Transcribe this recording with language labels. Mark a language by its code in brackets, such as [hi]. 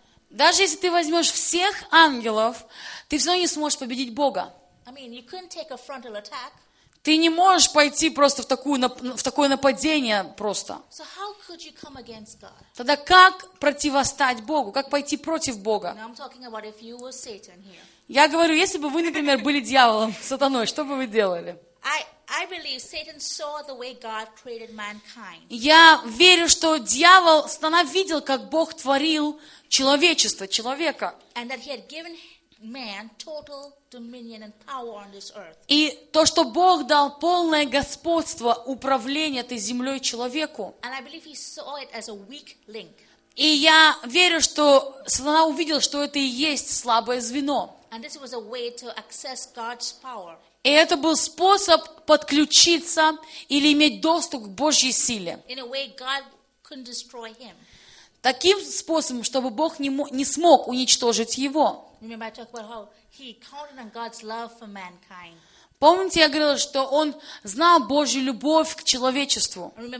[ru] Даже если ты возьмешь всех ангелов, ты все равно не сможешь победить Бога. [en] I mean, you couldn't take a frontal attack. [ru] Ты не можешь пойти просто в такое нападение просто. [en] So how could you come against God? [ru] Тогда как противостать Богу? Как пойти против Бога? [en] Now I'm talking about if you were Satan here. [ru] Я говорю, если бы вы, например, были дьяволом, сатаной, что бы вы делали? [en] I believe Satan saw the way God created mankind. [ru] Я верю, что дьявол видел, как Бог творил человечество, человека. [en] And that he had given man total dominion and power on this earth. [ru] И то, что Бог дал полное господство, управление этой землей человеку. [en] And I believe he saw it as a weak link. [ru] И я верю, что сатана увидел, что это и есть слабое звено. [en] And this was a way to access God's power. [ru] И это был способ подключиться или иметь доступ к Божьей силе. [en] In a way, God couldn't destroy him. [ru] Таким способом, чтобы Бог не смог уничтожить его. [en] Remember, I talked about how he counted on God's love for mankind. [ru] Помните, я говорила, что он знал Божью любовь к человечеству.